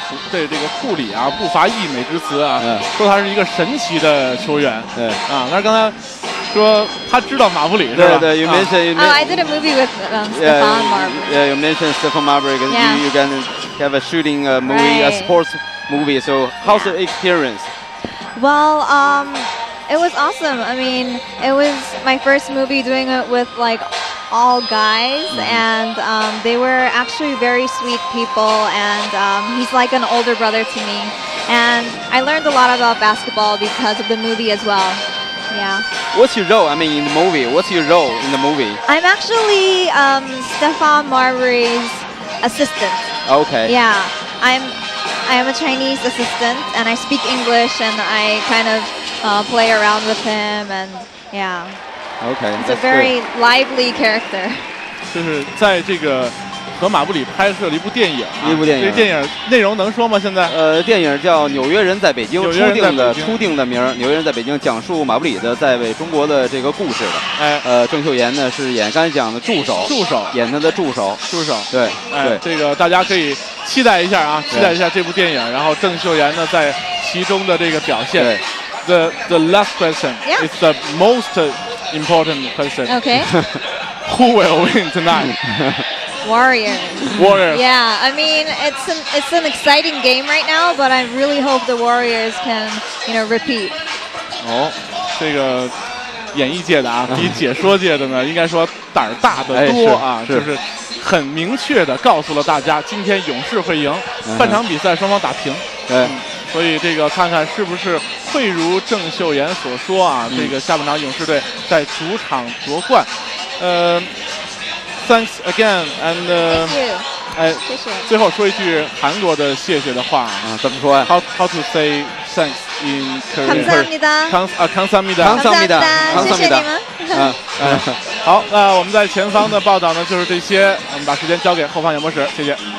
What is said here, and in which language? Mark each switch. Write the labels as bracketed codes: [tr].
[zh] 对这个库里啊，不乏溢美之词啊，说他是一个神奇的球员。对啊，但是刚才说他知道马布里是吧？对 [en] ，You mentioned. I did a movie with Stephon Marbury. Yeah, you mentioned Stephon Marbury. Yeah, you can have a shooting a movie, right. A sports movie. So how's the experience? Well, it was awesome. It was my first movie doing it with all guys, and they were actually very sweet people, and he's like an older brother to me, and I learned a lot about basketball because of the movie as well. Yeah. What's your role in the movie? I'm actually Stephon Marbury's assistant. Okay. Yeah. I'm a Chinese assistant, and I speak English, and I kind of play around with him, and yeah. Okay, it's a very lively character. [zh] 就是在这个和马布里拍摄了一部电影、啊，一部电影。这电影内容能说吗？现在？电影叫《纽约人在北京》，初定的名《纽约人在北京》，讲述马布里的在为中国的这个故事的。哎，郑秀妍呢是演刚才讲的助手，演他的助手，助手。对，哎，这个大家可以期待一下啊，期待一下这部电影，然后郑秀妍呢在其中的这个表现。对 [en] the last question、 yeah. is the most. Important question. Okay. Who will win tonight? Warriors. Yeah, it's an exciting game right now, but I really hope the Warriors can, repeat. [zh] 哦，这个演艺界的啊，比解说界的呢，应该说胆儿大得多啊，就是很明确的告诉了大家，今天勇士会赢，半场比赛双方打平。对。所以这个看看是不是会如郑秀妍所说啊，这个下半场勇士队在主场夺冠。 [en] Thanks again and thank you. [zh] 最后说一句韩国的谢谢的话啊，怎么说呀、啊、 [en] How to say thanks in Korean? [ko] 감사합니다 감사합니다 감사합니다 감사합니다 [zh] 好，那我们在前方的报道呢就是这些，我们把时间交给后方演播室，谢谢。